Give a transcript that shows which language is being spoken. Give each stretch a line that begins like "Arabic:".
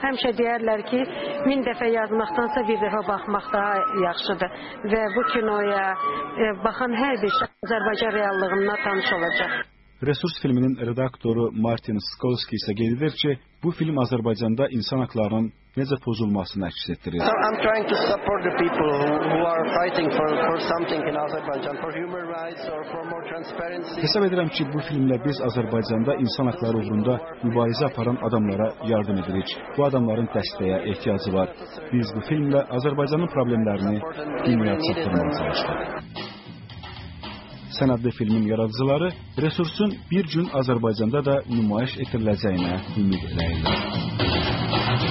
Azerbaijani: Həmişə deyərlər ki, min dəfə yazmaqdansa bir dəfə baxmaq daha yaxşıdır. Və bu kinoya baxan hər bir şəxs Azərbaycan reallığına tanış olacaq. Resurs filminin redaktoru Martin Skolski isə qeyd edir ki, bu film Azərbaycanda insan haqlarının necə pozulmasını əks etdirir.
English: I'm trying to support the people who are fighting for something in Azerbaijan, for human rights or for more transparency.
Azerbaijani: Hesab edirəm ki, bu filmlə biz Azərbaycanda insan haqları uğrunda mübarizə aparan adamlara yardım edirik. Bu adamların dəstəyə ehtiyacı var. Biz bu filmlə Azərbaycanın problemlərini dünyaya çatdırmağa çalışırıq. Sənədli filmin yaradıcıları resursun bir gün Azərbaycanda da nümayiş etdiriləcəyinə ümid edirlər.